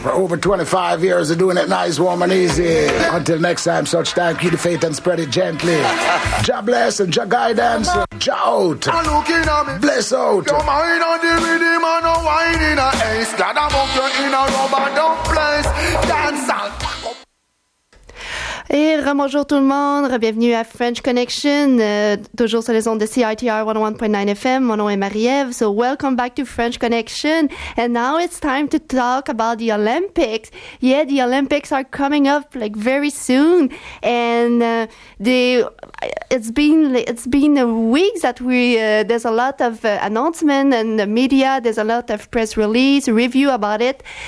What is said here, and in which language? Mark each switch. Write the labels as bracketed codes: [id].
[en] For over 25 years of doing it nice, warm, and easy. Until next time, such time, keep the faith and spread it gently. Jah bless and Jah guide and Jah out. I'm looking at me. Bless out. Your mind on the rhythm and a wine in a ace. Glad I'm up here in a rubber dump place. Dance out. [fr] Et rebonjour tout le monde, re-bienvenue à French Connection, toujours sur les ondes de CITR 101.9 FM. Mon nom est Marie-Ève, [en] so welcome back to French Connection. And now it's time to talk about the Olympics. Yeah, the Olympics are coming up like very soon. And it's been weeks that there's a lot of announcement in the media, there's a lot of press release, review about it.